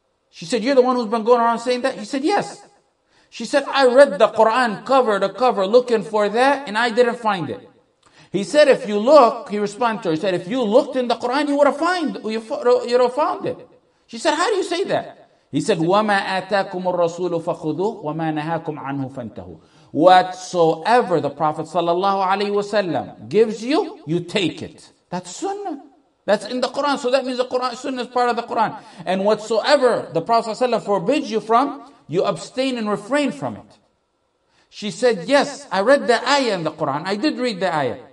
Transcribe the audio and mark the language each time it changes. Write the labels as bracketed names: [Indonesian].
[English] She said, you're the one who's been going around saying that? He said, yes. She said, I read the Quran cover to cover looking for that, and I didn't find it. He said, if you look, he responded to her, he said, if you looked in the Quran, you would have found it. She said, how do you say that? He said, [Arabic] وَمَا آتَاكُمُ الرَّسُولُ فَخُذُوهُ وَمَا نَهَاكُمْ عَنْهُ فَانْتَهُ. [English] Whatsoever the Prophet sallallahu alaihi wasallam gives you, you take it. That's Sunnah. That's in the Quran. So that means the Quran, Sunnah is part of the Quran. And whatsoever the Prophet sallallahu alaihi wasallam forbids you from, you abstain and refrain from it. She said, yes, I read the ayah in the Quran. I did read the ayah.